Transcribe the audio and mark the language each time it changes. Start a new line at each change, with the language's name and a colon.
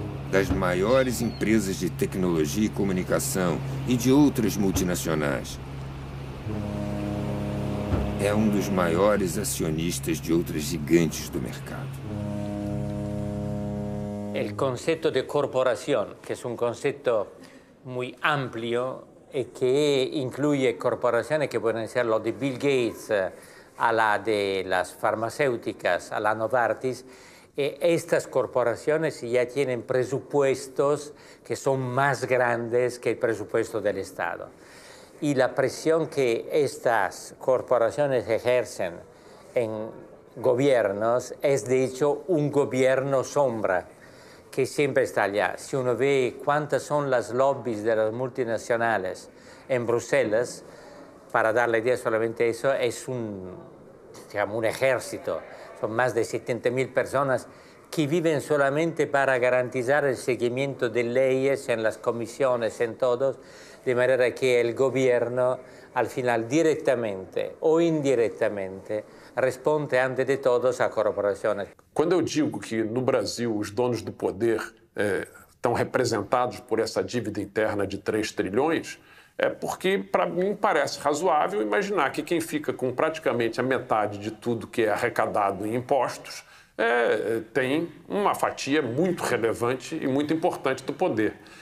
Portuguese: Das maiores empresas de tecnologia e comunicação e de outras multinacionais. É um dos maiores acionistas de outras gigantes do mercado.
Spanish: El concepto de corporación, que es un concepto muy amplio y que incluye corporaciones que pueden ser lo de Bill Gates a la de las farmacéuticas, a la Novartis, estas corporaciones ya tienen presupuestos que son más grandes que el presupuesto del Estado. Y la presión que estas corporaciones ejercen en gobiernos es, de hecho, un gobierno sombra. Que siempre está allá. Si uno ve cuántas son las lobbies de las multinacionales en Bruselas, para dar la idea solamente eso, es un, digamos, un ejército. Son más de 70.000 personas que viven solamente para garantizar el seguimiento de leyes en las comisiones, en todos, de manera que el gobierno, al final, directamente o indirectamente, responde, antes de todos, a corporaciones.
Portuguese: Quando eu digo que no Brasil os donos do poder estão representados por essa dívida interna de 3 trilhões, é porque para mim parece razoável imaginar que quem fica com praticamente a metade de tudo que é arrecadado em impostos tem uma fatia muito relevante e muito importante do poder.